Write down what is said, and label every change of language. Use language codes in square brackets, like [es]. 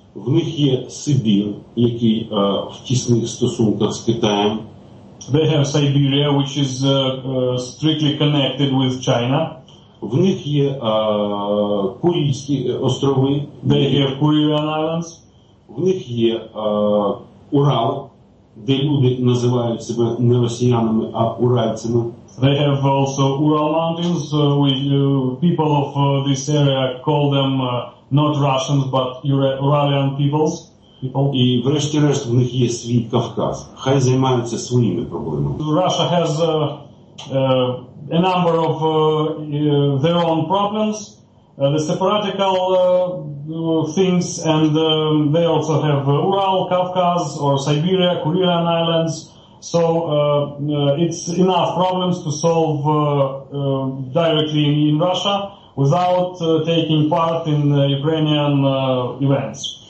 [uk] В них є Сибір, який в тісних стосунках з Китаєм. [en] They have Siberia, which is strictly connected with China. [uk] В них є Курильські острови. [en] They have Kurilian Islands. [uk] В них є Урал, де люди називають себе не росіянами, а уральцями. [en] They have also Ural Mountains, which people of this area call them not Russians, but Uralian peoples. [uk] І врешті-решт в них є свій Кавказ. Хай займаються своїми проблемами. [en] Russia has a number of their own problems, the separatical things, and they also have Ural, Kavkaz, or Siberia, Kurilian Islands. So it's enough problems to solve directly in Russia without taking part in Ukrainian events.